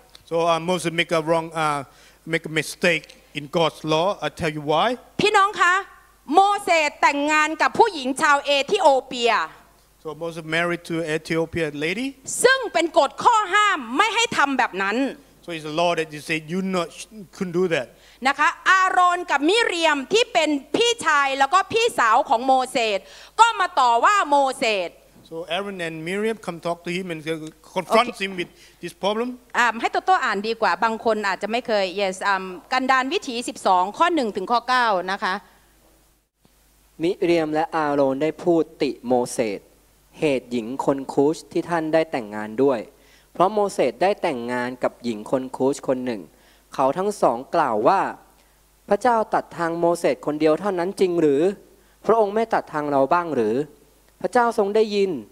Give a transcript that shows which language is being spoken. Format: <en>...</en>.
<en>So Moses make a wrong make a mistake in God's law I tell you why</en> <th>พี่น้องคะโมเสสแต่งงานกับผู้หญิงชาวเอธิโอเปีย</th> <en>So Moses married to Ethiopian lady</en> <th>ซึ่งเป็นกฎข้อห้ามไม่ให้ทำแบบนั้น</th> <en>So it's a law that you say you not couldn't do that</en> <th>นะคะอาโรนกับมิเรียมที่เป็นพี่ชายแล้วก็พี่สาวของโมเสสก็มาต่อว่าโมเสส</th> <en>So Aaron and Miriam come talk to him and confront him with this problem</en> <th>ให้ตัวอ่านดีกว่าบางคนอาจจะไม่เคย Yes กันดารวิถี12ข้อ1ถึงข้อ9นะคะ มิเรียมและอาโรนได้พูดติโมเสสเหตุหญิงคนคูชที่ท่านได้แต่งงานด้วยเพราะโมเสสได้แต่งงานกับหญิงคนคูชคนหนึ่งเขาทั้งสองกล่าวว่าพระเจ้าตัดทางโมเสสคนเดียวเท่านั้นจริงหรือพระองค์ไม่ตัดทางเราบ้างหรือพระเจ้าทรงได้ยิน</th>